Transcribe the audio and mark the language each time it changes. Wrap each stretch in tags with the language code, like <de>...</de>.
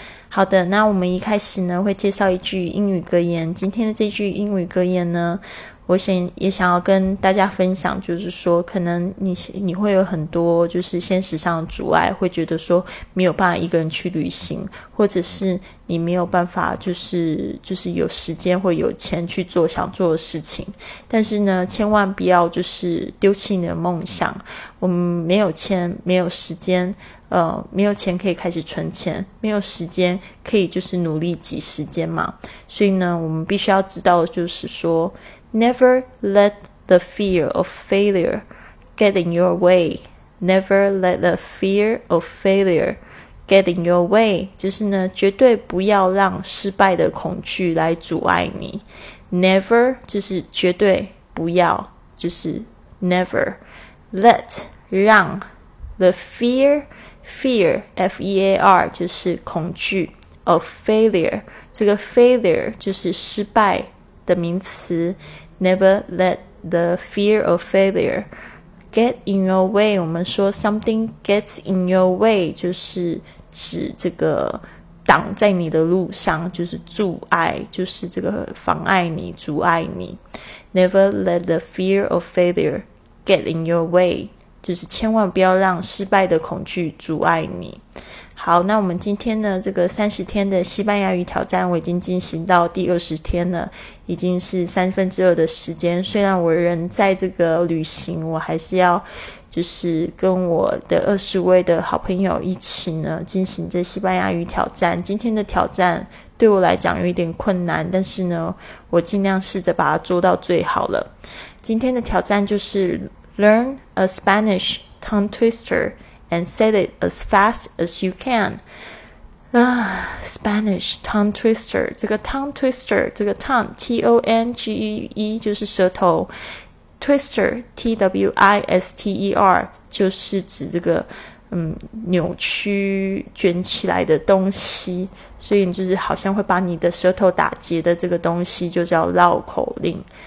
<zh>好的，那我们一开始呢会介绍一句英语格言，今天的这句英语格言呢我想也想要跟大家分享，就是说可能你会有很多就是现实上的阻碍，会觉得说没有办法一个人去旅行，或者是你没有办法就是有时间或有钱去做想做的事情。但是呢千万不要就是丢弃你的梦想，我们没有钱没有时间，没有钱可以开始存钱，没有时间可以就是努力挤时间嘛。所以呢我们必须要知道的就是说 Never let the fear of failure get in your way.</zh> <en>Never let the fear of failure get in your way.</en> <zh>就是呢，绝对不要让失败的恐惧来阻碍你。 Never 就是绝对不要，就是 never let 让 the fear F-E-A-R 就是恐惧 of failure. 这个 failure 就是失败的名词。</zh> <en>Never let the fear of failure get in your way.</en> <zh>我们说 something gets in your way 就是指这个挡在你的路上，就是阻碍，就是这个妨碍你，阻碍你。</zh> <en>Never let the fear of failure get in your way. 就是千万不要让失败的恐惧阻碍你。好。</en> <zh>好，那我们今天呢，这个30天的西班牙语挑战我已经进行到第20天了，已经是三分之二的时间。虽然我人在这个旅行，我还是要就是跟我的20位的好朋友一起呢进行这西班牙语挑战。今天的挑战对我来讲有一点困难，但是呢我尽量试着把它做到最好了。</zh> <en>今天的挑战就是 Learn a Spanish tongue twisterAnd say it as fast as you can. Spanish tongue twister.</en> <zh>这个 tongue twister, 这个 tongue, T-O-N-G-E-E, 就是舌头。 Twister, T-W-I-S-T-E-R, 就是指这个扭曲卷起来的东西。所以就是好像会把你的舌头打结的这个东西就叫绕口令。</zh>